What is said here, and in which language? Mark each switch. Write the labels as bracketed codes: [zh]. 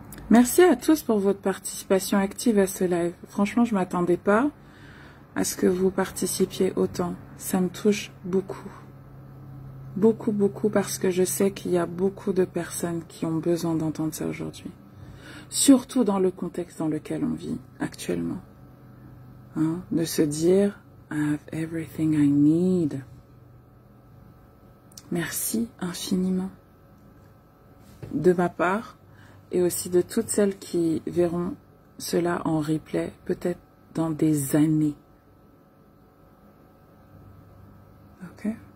[fr] Merci à tous pour votre participation active à ce live. Franchement, je m'attendais pas à ce que vous participiez autant. Ça me touche beaucoup. Beaucoup, beaucoup, parce que je sais qu'il y a beaucoup de personnes qui ont besoin d'entendre ça aujourd'hui. Surtout dans le contexte dans lequel on vit actuellement. Hein? De se dire, [en] I have everything I need. [fr] Merci infiniment. De ma part, et aussi de toutes celles qui verront cela en replay, peut-être dans des années. Ok.